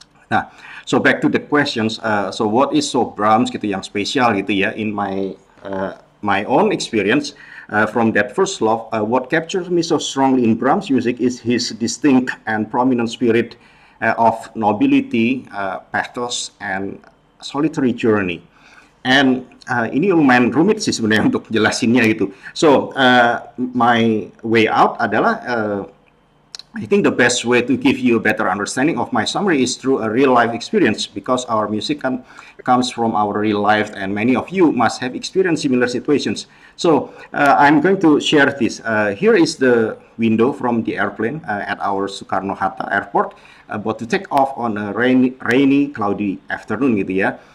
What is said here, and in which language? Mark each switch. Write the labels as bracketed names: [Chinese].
[English] Nah, so back to the questions. So what is so Brahms [Indonesian] gitu yang spesial gitu ya? [English] In my my own experience from that first love, what captures me so strongly in Brahms music is his distinct and prominent spirit of nobility, pathos, and solitary journey. [Indonesian] And ini lumayan rumit sih sebenarnya untuk jelasinnya gitu. [English] So my way out [Indonesian] adalah [English] I think the best way to give you a better understanding of my summary is through a real life experience, because our music comes from our real life and many of you must have experienced similar situations. So I'm going to share this. Here is the window from the airplane at our Soekarno-Hatta airport about to take off on a rainy cloudy afternoon gitu ya.